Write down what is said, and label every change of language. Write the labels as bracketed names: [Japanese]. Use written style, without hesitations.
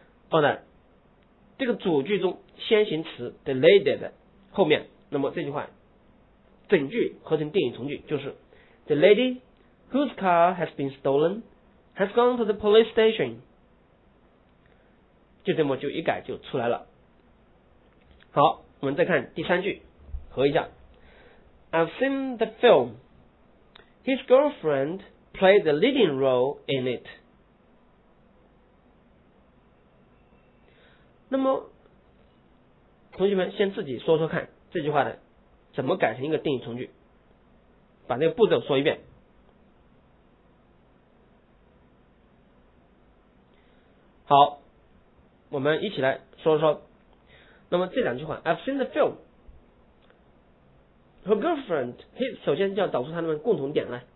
[Chinese] 放在这个主句中先行词 the lady 的后面，那么这句话整句合成定语从句就是 [English] The lady whose car has been stolen has gone to the police station， [Chinese] 就这么就一改就出来了。好，我们再看第三句合一下。 [English] I've seen the film， His girlfriend played the leading role in it。 [Chinese] 那么同学们先自己说说看这句话的怎么改成一个定语从句，把这个步骤说一遍。好，我们一起来说说。那么这两句话 [English] I've seen the film， Her girlfriend， [Chinese] 首先就要导出他们共同点来。